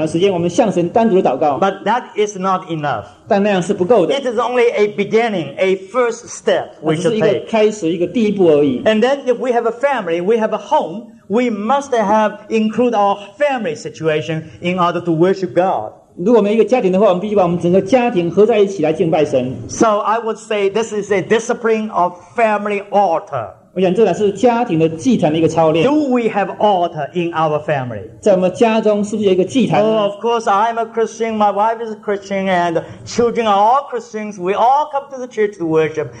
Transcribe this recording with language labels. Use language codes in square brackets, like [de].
[zh] 我们个人的灵修，我们个人的默想的时间，我们向神单独的祷告。 [en] But that is not enough. [zh] 但那样是不够的。 [en] It is only a beginning, a first step we should take. [zh] 只是一个开始，一个第一步而已。 [en] And then if we have a family, we have a home, we must have include our family situation in order to worship God. [zh] 如果我们一个家庭的话，我们必须把我们整个家庭合在一起来敬拜神。 [en] So I would say this is a discipline of family altar. [zh] 我想这乃是家庭的祭坛的一个操练。 [en] Do we have altar in our family? [zh] 在我们家中是不是有一个祭坛呢? [en] Oh, of course, I'm a Christian, my wife is a Christian, and children are all Christians. We all come to the church to worship.